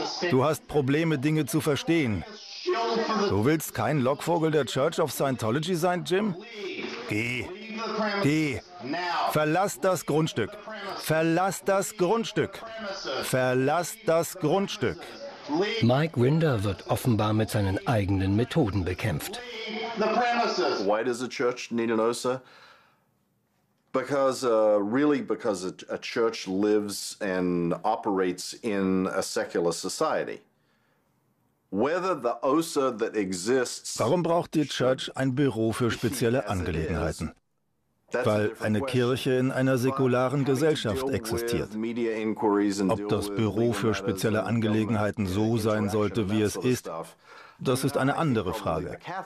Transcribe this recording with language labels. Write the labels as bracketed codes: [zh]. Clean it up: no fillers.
[de] Du hast Probleme, Dinge zu verstehen. Du willst kein Lockvogel der Church of Scientology sein, Jim? Geh. Geh. Verlass das Grundstück. Verlass das Grundstück. Verlass das Grundstück. Mike Rinder wird offenbar mit seinen eigenen Methoden bekämpft. [en] Why does a church need an OSA? Because really because a church lives and operates in a secular society. Whether the OSA that exists. [de] Warum braucht die Church ein Büro für spezielle Angelegenheiten? Weil eine Kirche in einer säkularen Gesellschaft existiert. Ob das Büro für spezielle Angelegenheiten so sein sollte, wie es ist, das ist eine andere Frage.